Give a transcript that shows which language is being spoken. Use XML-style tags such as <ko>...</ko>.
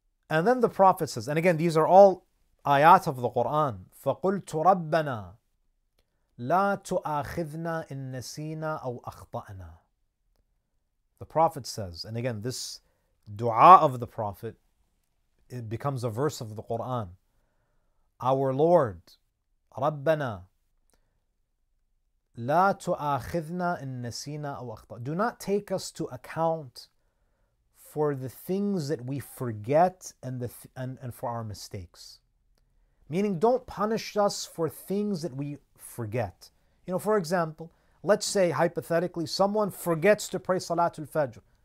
<en>And then the Prophet says, and again, these are all ayat of the Qur'an,</en> <ar>فَقُلْتُ رَبَّنَا لَا تُؤَاخِذْنَا إِن نَسِينَا أَوْ أَخْطَأْنَا.</ar> <en>The Prophet says, and again, this dua of the Prophet, it becomes a verse of the Qur'an. Our Lord,</en> <ar>رَبَّنَا لَا تُؤَاخِذْنَا إِن نَسِينَا أَوْ أَخْطَأْنَا.</ar> <en>Do not take us to account for the things that we forget and for our mistakes. Meaning, don't punish us for things that we forget. You know, for example, let's say hypothetically someone forgets to pray Salatul Fajr.</en>